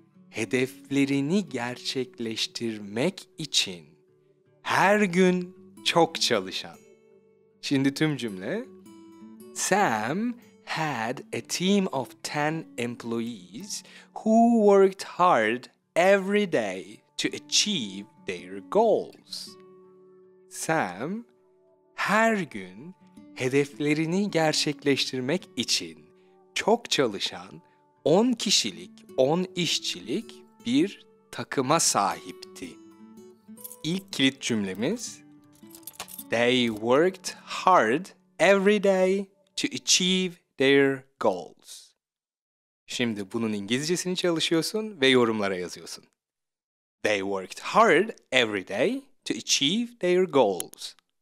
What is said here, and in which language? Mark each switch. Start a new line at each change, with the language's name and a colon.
Turkish: Hedeflerini gerçekleştirmek için her gün çok çalışan. Şimdi tüm cümle.
English: Sam had a team of 10 employees who worked hard every day to achieve their goals.
Turkish: Sam her gün hedeflerini gerçekleştirmek için çok çalışan 10 kişilik, 10 işçilik bir takıma sahipti. İlk kilit cümlemiz,
English: they worked hard every day to achieve their goals.
Turkish: Şimdi bunun İngilizcesini çalışıyorsun ve yorumlara yazıyorsun.
English: They worked hard every day to achieve their goals.